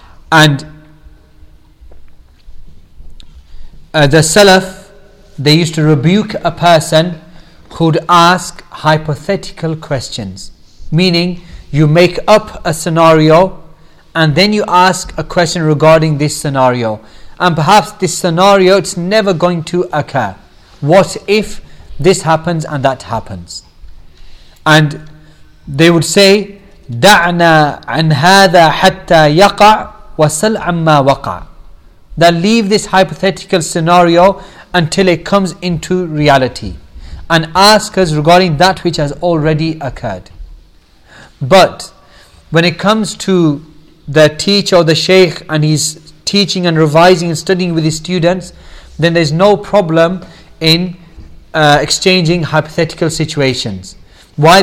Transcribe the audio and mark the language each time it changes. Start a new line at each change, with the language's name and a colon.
English: And the Salaf, they used to rebuke a person who'd ask hypothetical questions. Meaning, you make up a scenario and then you ask a question regarding this scenario. And perhaps this scenario, it's never going to occur. What if this happens and that happens? And they would say,
Arabic: دَعْنَا عَنْ هَذَا حَتَّى يَقَعْ وَسَلْ عَمَّا وَقَعْ.
English: That leave this hypothetical scenario until it comes into reality and ask us regarding that which has already occurred. But when it comes to the teacher or the Shaykh and he's teaching and revising and studying with his students, then there's no problem in exchanging hypothetical situations. Why?